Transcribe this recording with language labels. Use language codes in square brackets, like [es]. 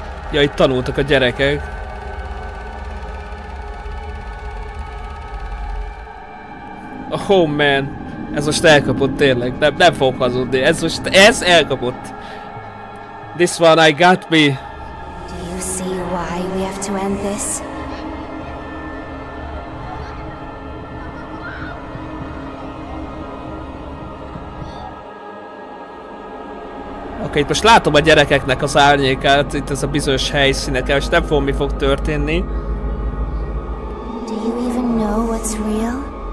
[hu] Ja, itt tanultak a gyerekek. [en] Oh man, [hu] ez most elkapott tényleg, nem fogok hazudni, ez most, ez elkapott. [en] This one I got me. Do you see why we have to end this? [hu] Oké, itt most látom a gyerekeknek az árnyékát, itt ez a bizonyos helyszínek, és nem fogom, mi fog történni. [en] Do you even know what's real?